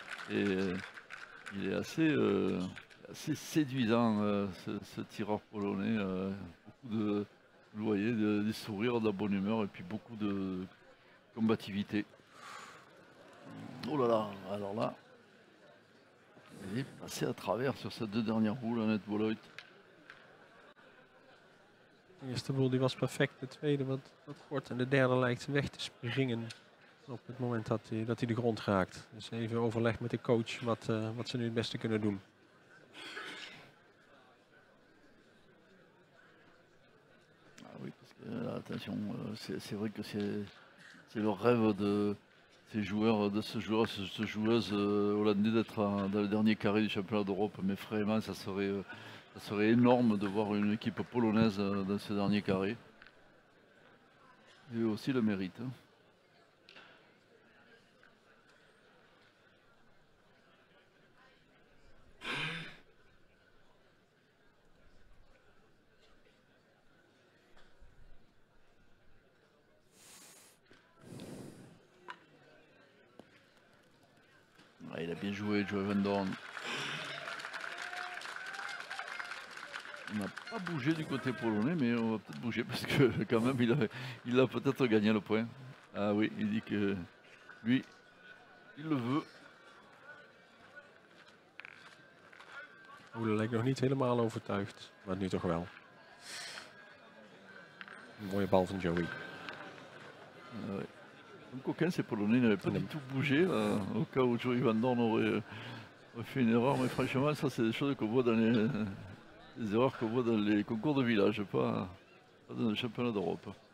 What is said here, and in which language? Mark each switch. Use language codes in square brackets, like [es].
[fr] Et il est assez séduisant ce tireur polonais. Beaucoup de, vous voyez, des sourires, de la bonne humeur et puis beaucoup de combativité. Oh là là, alors là, elle est passée à travers sur ses deux dernières boules, Annette Bolloit. De eerste boule die was perfect, de tweede wat kort en de derde lijkt weg te springen op het moment dat hij de grond raakt. Dus even overleg met de coach wat ze nu het beste kunnen doen. Ah oui, parce que, attention, c'est vrai que c'est le rêve de... Ces joueurs, de ce joueur, de cette joueuse hollandais d'être dans le dernier carré du championnat d'Europe, mais vraiment ça serait Ça serait énorme de voir une équipe polonaise dans ce dernier carré. Et aussi le mérite. Il a bien joué, Joël Van Doorn. Il n'a pas bougé du côté polonais, mais on va peut-être bouger parce que quand même, il a peut-être gagné le point. Ah oui, il dit que lui, il le veut. [nl] Oh, dat lijkt nog niet helemaal overtuigd, maar nu toch wel. Een mooie bal van Joey. [fr] Donc aucun de ces Polonais n'avait pas du tout bougé là, au cas où Joey Van Doorn aurait fait une erreur, mais franchement ça c'est des choses qu'on voit dans les erreurs qu'on voit dans les concours de village, pas dans le championnat d'Europe.